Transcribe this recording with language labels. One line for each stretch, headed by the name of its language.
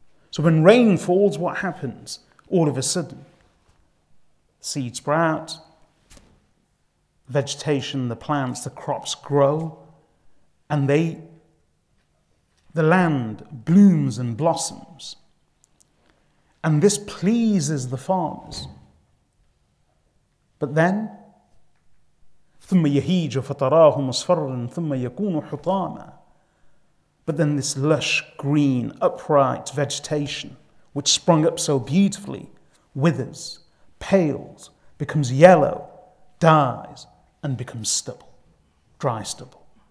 English: So when rain falls, what happens? All of a sudden, seeds sprout, vegetation, the plants, the crops grow, and the land blooms and blossoms. And this pleases the farmers. But then,
Arabic: ثُمَّ يَهِيجُ فَتَرَاهُ مُصْفَرًا ثُمَّ يَكُونُ حُطَامًا.
English: But then this lush, green, upright vegetation, which sprung up so beautifully, withers, pales, becomes yellow, dies, and becomes stubble, dry stubble.